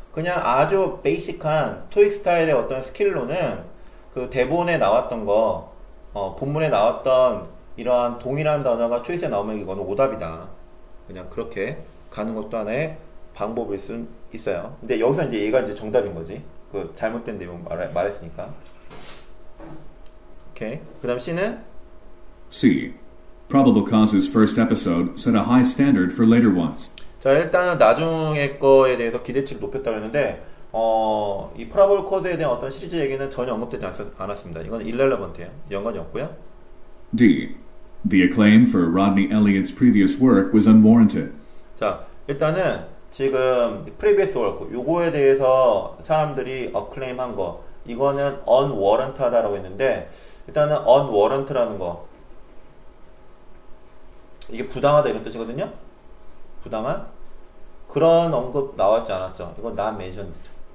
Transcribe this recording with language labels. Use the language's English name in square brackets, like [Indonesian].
[Korean] 그냥 아주 베이직한 토익 스타일의 어떤 스킬로는 그 대본에 나왔던 거 본문에 나왔던 이러한 동일한 단어가 초이스에 나오면 이건 오답이다. 그냥 그렇게 가정하시면 됩니다. 가는 것도 하나의 방법일 수 있어요. 근데 여기서 이제 얘가 이제 정답인 거지. 그 잘못된 내용 말했으니까. 오케이. 그다음 C는 C. [English] Probable Cause's first episode set a high standard for later ones. [Korean] 자, 일단은 나중에 거에 대해서 기대치를 높였다고 했는데 이 Probable Cause에 대한 어떤 시리즈 얘기는 전혀 언급되지 않았습니다. 이건 irrelevant예요. 연관이 없고요. D. [English] The acclaim for Rodney Elliott's previous work was unwarranted. [Korean] 자, 일단은 지금 previous work 요거에 대해서 사람들이 acclaim 한 거 이거는 unwarranted 하다라고 했는데 일단은 unwarranted라는 거 이게 부당하다 이런 뜻이거든요. 부당한 그런 언급 나왔지 않았죠. 이건 non-mentioned죠.